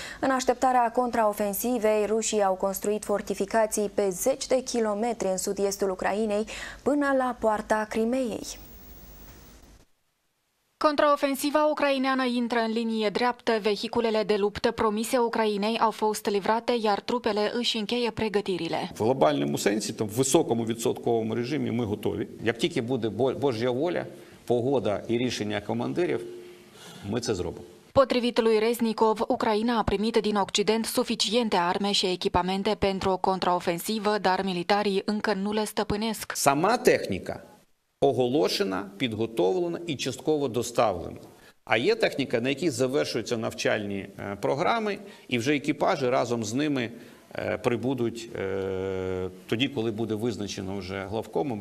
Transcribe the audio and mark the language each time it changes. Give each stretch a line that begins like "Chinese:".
Romanian: În așteptarea contraofensivei, rușii au construit fortificații pe 10 de kilometri în sud-estul Ucrainei, până la poarta Crimeei. Contraofensiva ucraineană intră în linie dreaptă, vehiculele de luptă promise Ucrainei au fost livrate, iar trupele își încheie pregătirile.
Ukrainian: В глобальному сенсі, там в високому відсотковому режимі ми готові. Як тільки буде Божа воля, погода і рішення командирів, ми це зробимо.
Romanian: Potrivit lui Reznikov, Ucraina a primit din Occident suficiente arme și echipamente pentru o contraofensivă, dar militarii încă nu le stăpânesc.
Ukrainian: Сама техніка оголошена, підготовлена і частково доставлена. А є техніка, на якій завершуються навчальні програми, і вже екіпажі разом з ними прибудуть тоді, коли буде визначено вже главкомом.